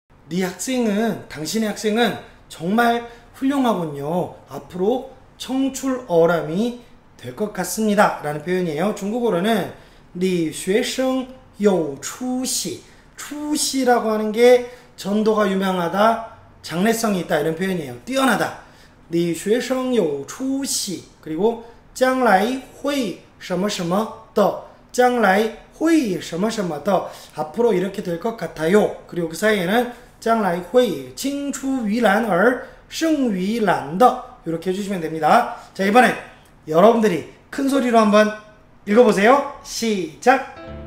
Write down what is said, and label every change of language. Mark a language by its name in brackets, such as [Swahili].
[Korean] 네 학생은, 당신의 학생은 정말 훌륭하군요. 앞으로 청출어람이 될 것 같습니다 라는 표현이에요. 중국어로는 [Chinese] 你学生有出息, [Korean] 出息라고 하는 게 전도가 유명하다, 장래성이 있다 이런 표현이에요. 뛰어나다. [Chinese] 你学生有出息, 그리고 将来会什么什么的, 将来会什么什么的, [Korean] 앞으로 이렇게 될 것 같아요. 그리고 그 사이에는 [Chinese] 将来会青出于蓝而胜于蓝的, [Korean] 이렇게 해주시면 됩니다. 자, 이번에 여러분들이 큰 소리로 한번 읽어보세요. 시작!